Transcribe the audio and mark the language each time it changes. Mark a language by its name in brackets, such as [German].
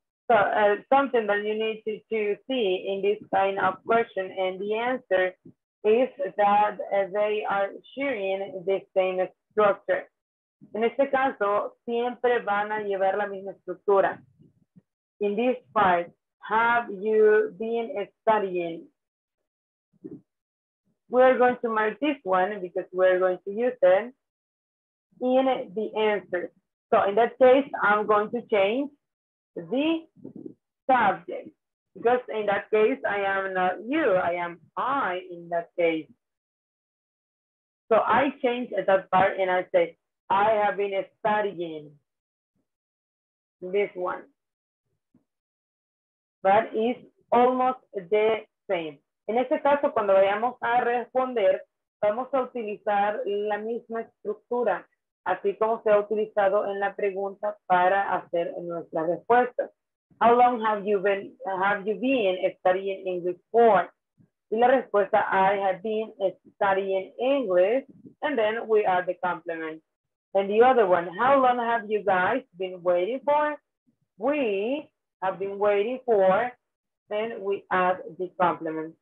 [English] So something that you need to see in this kind of question and the answer is that they are sharing the same structure. [Spanish] En este caso, siempre van a llevar la misma estructura. [English] In this part, have you been studying? We're going to mark this one because we're going to use it in the answer. So in that case, I'm going to change the subject, because in that case, I am not you, I am I in that case. So I change that part and I say, I have been studying this one. But it's almost the same. [Spanish] En este caso, cuando vayamos a responder, vamos a utilizar la misma estructura, así como se ha utilizado en la pregunta para hacer nuestra respuesta. [English] How long have you been studying English for? [Spanish] Y la respuesta, [English] I have been studying English, and then we add the complement. And the other one, how long have you guys been waiting for? We have been waiting for, and we add the complement.